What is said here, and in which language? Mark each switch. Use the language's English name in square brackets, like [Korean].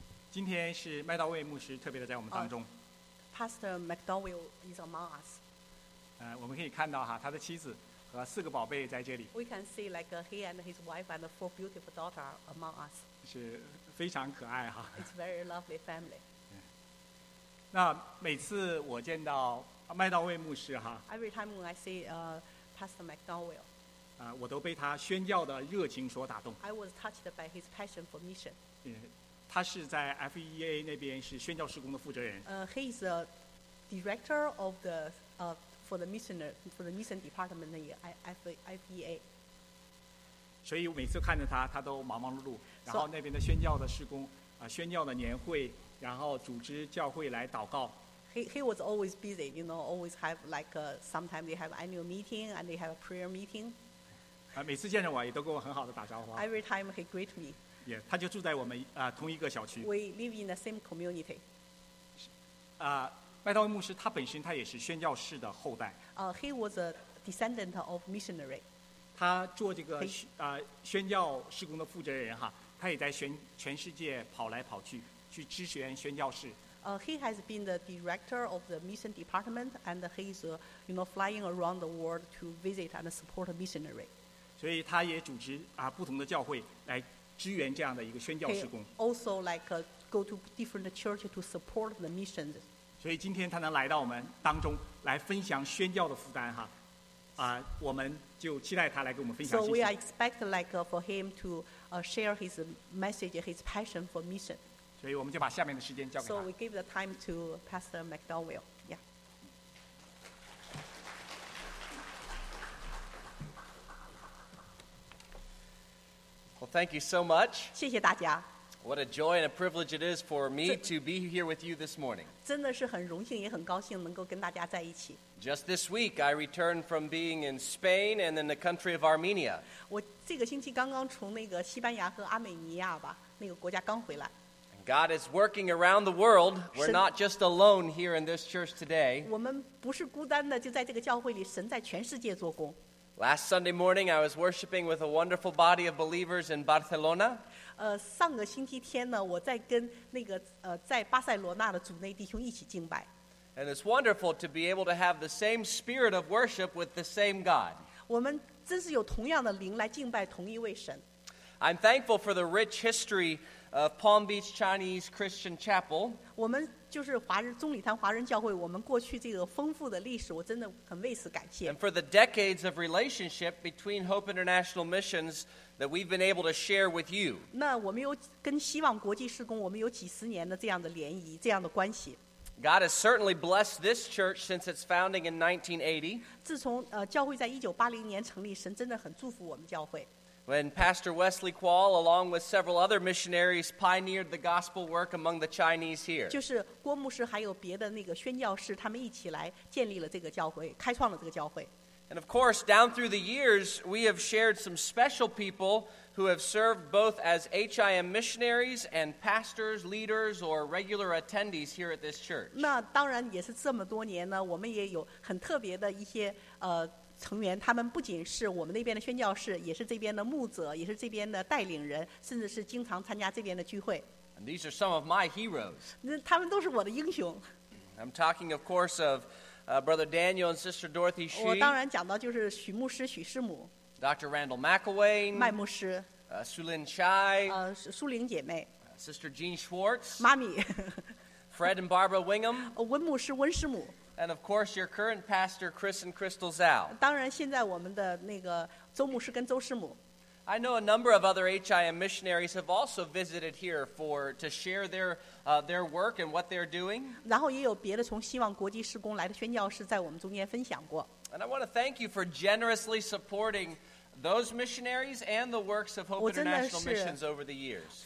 [Chinese] 今天是麦道卫牧师特别的在我们当中。 [English] Pastor McDowell is among us. [Chinese] 我们可以看到哈，他的妻子和四个宝贝在这里。 [English] We can see like he and his wife and four beautiful daughter among us. [Chinese] 是非常可爱哈。 [English] It's very lovely family. [Chinese] 那每次我见到麦道卫牧师哈。 [English] Every time when I see Pastor McDowell. [Chinese] 我都被他宣教的热情所打动。 [English] I was touched by his passion for mission. [Chinese] 他是在 FEA 那边是宣教事工的负责人。 [English] He is a director of the for the mission department in FEA. [Chinese] 所以每次看着他，他都忙忙碌碌。然后那边的宣教的事工，宣教的年会，然后组织教会来祷告。 [English] He was always busy, you know, always have like sometimes they have annual meeting and they have a prayer meeting. [Chinese] 每次见着我也都跟我很好的打招呼。 [English] Every time he greet me. [Chinese] Yeah, 他就住在我们同一个小区。 [English] We live in the same community. [Chinese] 麦道牧师他本身他也是宣教士的后代。 [English] He was a descendant of missionary. [Chinese] 他做这个宣教事工的负责人哈，他也在全世界跑来跑去去支援宣教士。 [English] He has been the director of the mission department, and he's you know flying around the world to visit and support missionary. [Chinese] 所以他也组织不同的教会来。支援这样的一个宣教事工。 [English] He also like go to different churches to support the missions. [Chinese] 所以今天他能来到我们当中来分享宣教的负担哈，我们就期待他来给我们分享信息。 [English] So we are expect like for him to share his message, his passion for mission. [Chinese] 所以我们就把下面的时间交给他。 [English] So we give the time to Pastor McDowell. Yeah. Well, thank you so much. [Chinese] 谢谢大家。 [English] What a joy and a privilege it is for me to be here with you this morning. [Chinese] 真的是很荣幸也很高兴能够跟大家在一起。 [English] Just this week, I returned from being in Spain and in the country of Armenia. [Chinese] 我这个星期刚刚从那个西班牙和阿美尼亚吧，那个国家刚回来。 [English] God is working around the world. We're not just alone here in this church today. [Chinese] 我们不是孤单的，就在这个教会里，神在全世界做工。 [English] Last Sunday morning, I was worshiping with a wonderful body of believers in Barcelona. [Chinese] 上个星期天呢，我在跟那个在巴塞罗那的主内弟兄一起敬拜。 [English] And it's wonderful to be able to have the same spirit of worship with the same God. [Chinese] 我们真是有同样的灵来敬拜同一位神。 [English] I'm thankful for the rich history of Palm Beach Chinese Christian Chapel. [Chinese] 我们就是华人中礼堂华人教会，我们过去这个丰富的历史，我真的很为此感谢。 [English] And for the decades of relationship between Hope International Missions that we've been able to share with you. [Chinese] 那我们有跟希望国际事工，我们有几十年的这样的联谊，这样的关系。 [English] God has certainly blessed this church since its founding in 1980. [Chinese] 自从教会在1980年成立，神真的很祝福我们教会。 [English] When Pastor Wesley Kwal, along with several other missionaries, pioneered the gospel work among the Chinese here. [Chinese] 就是郭牧师还有别的那个宣教士，他们一起来建立了这个教会，开创了这个教会。 [English] And of course, down through the years, we have shared some special people who have served both as HIM missionaries and pastors, leaders, or regular attendees here at this church. [Chinese] 那当然也是这么多年呢，我们也有很特别的一些成员，他们不仅是我们那边的宣教士，也是这边的牧者，也是这边的带领人，甚至是经常参加这边的聚会。 [English] And these are some of my heroes. [Chinese] 他们都是我的英雄。 [English] I'm talking, of course, of Brother Daniel and Sister Dorothy Shi. [Chinese] 我当然讲到就是许牧师、许师母。 [English] Dr. Randall McElwain. [Chinese] 麦牧师。 [English] 苏林 Chai. [Chinese] 苏林姐妹。 [English] Sister Jean Schwartz. [Chinese] 妈咪。 [English] Fred and Barbara Wingham. [Chinese] 温牧师、温师母。 [English] And of course, your current pastor, Chris and Crystal Zhao. [Chinese] 当然，现在我们的那个周牧师跟周师母。 [English] I know a number of other HIM missionaries have also visited here to share their work and what they're doing. [Chinese] 然后也有别的从希望国际事工来的宣教士在我们中间分享过。 [English] And I want to thank you for generously supporting those missionaries and the works of Hope International Missions over the years.